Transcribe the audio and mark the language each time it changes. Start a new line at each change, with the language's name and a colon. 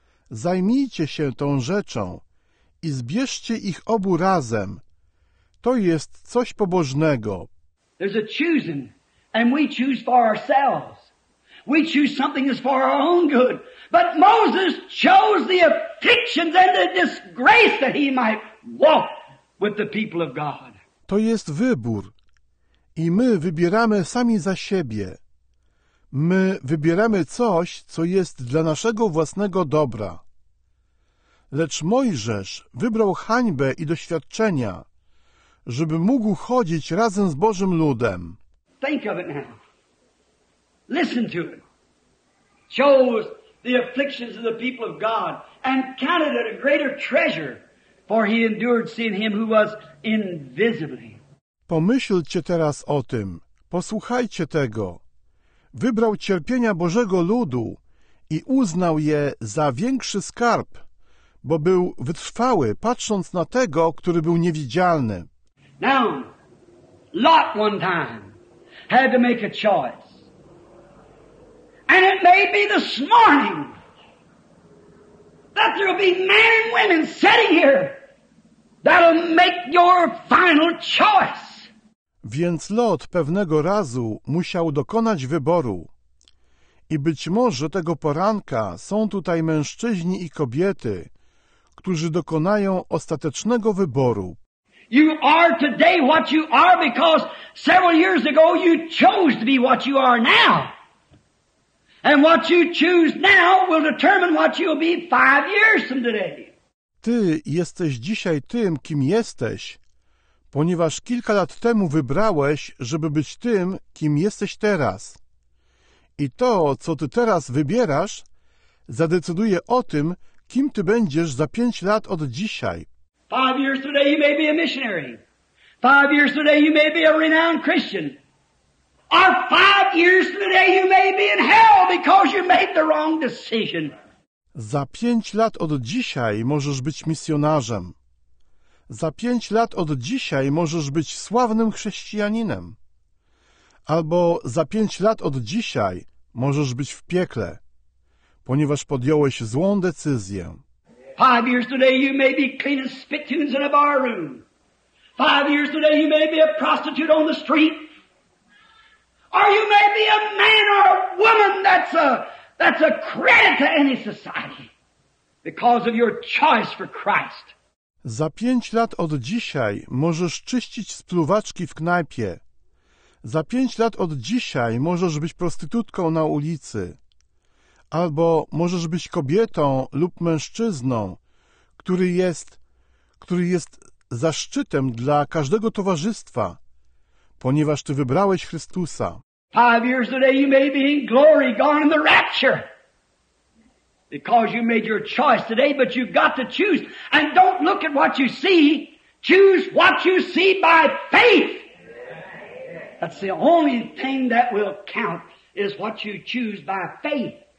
Polish: Zajmijcie się tą rzeczą i zbierzcie ich obu razem. To jest coś pobożnego.
English: There's a choosing, and we choose for ourselves. We choose something that's for our own good. But Moses chose the afflictions and the disgrace that he might walk with the people of God.
Polish: To jest wybór. I my wybieramy sami za siebie. My wybieramy coś, co jest dla naszego własnego dobra. Lecz Mojżesz wybrał hańbę i doświadczenia, żeby mógł chodzić razem z Bożym ludem.
English: Think of it now. Listen to it. Chose the afflictions of the people of God and counted it a greater treasure, for he endured seeing him who was invisibly.
Polish: Pomyślcie teraz o tym. Posłuchajcie tego. Wybrał cierpienia Bożego ludu i uznał je za większy skarb, bo był wytrwały, patrząc na tego, który był niewidzialny.
English: Now, Lot one time had to make a choice. And it may be this morning that there will be men and women sitting here that'll make your final choice.
Polish: Więc Lot pewnego razu musiał dokonać wyboru. I być może tego poranka są tutaj mężczyźni i kobiety, którzy dokonają ostatecznego wyboru.
English: You are today what you are because several years ago you chose to be what you are now. And what you choose now will determine what you'll be 5 years from today.
Polish: Ty jesteś dzisiaj tym, kim jesteś, ponieważ kilka lat temu wybrałeś, żeby być tym, kim jesteś teraz. I to, co ty teraz wybierasz, zadecyduje o tym, kim ty będziesz za 5 lat od dzisiaj.
English: 5 years today you may be a missionary. 5 years today you may be a renowned Christian. Or 5 years today you may be in hell because you made the wrong decision.
Polish: Za 5 lat od dzisiaj możesz być misjonarzem. Za 5 lat od dzisiaj możesz być sławnym chrześcijaninem. Albo za 5 lat od dzisiaj możesz być w piekle, ponieważ podjąłeś złą decyzję.
English: 5 years today you may be clean as spittoons in a bar room. 5 years today you may be a prostitute on the street. Or you may be a man or a woman that's a credit to any society because of your choice for Christ.
Polish: Za 5 lat od dzisiaj możesz czyścić spluwaczki w knajpie. Za 5 lat od dzisiaj możesz być prostytutką na ulicy. Albo możesz być kobietą lub mężczyzną, który jest zaszczytem dla każdego towarzystwa, ponieważ Ty wybrałeś Chrystusa.
English: 5 years today you may be in glory, gone in the rapture. Because you made your choice today, but you've got to choose. And don't look at what you see. Choose what you see by faith. That's the only thing that will count, is what you choose by faith.